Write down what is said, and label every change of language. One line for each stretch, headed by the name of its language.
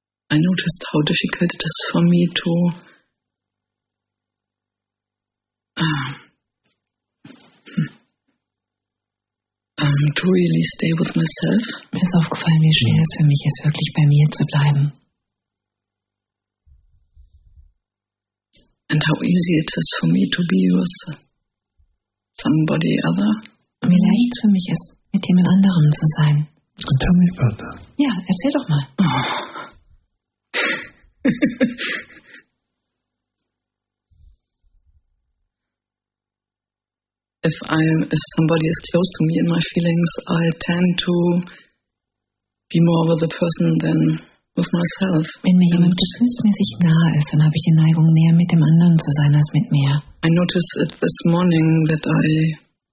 English: I noticed how difficult it is for me to to really stay with myself.
German: Mir ist aufgefallen, wie schwer es für mich ist, wirklich bei mir zu bleiben.
English: And how easy it is for me to be with somebody other.
German: Wie leicht es für mich ist, mit jemand anderem zu sein.
English: Tell me about that.
German: Ja, erzähl doch mal. Oh.
English: If somebody is close to me in my feelings, I tend to be more with the person than with myself.
German: Wenn mir jemand gefühlsmäßig nah ist, dann habe ich die Neigung, mehr mit dem anderen zu sein als mit mir.
English: I noticed it this morning that I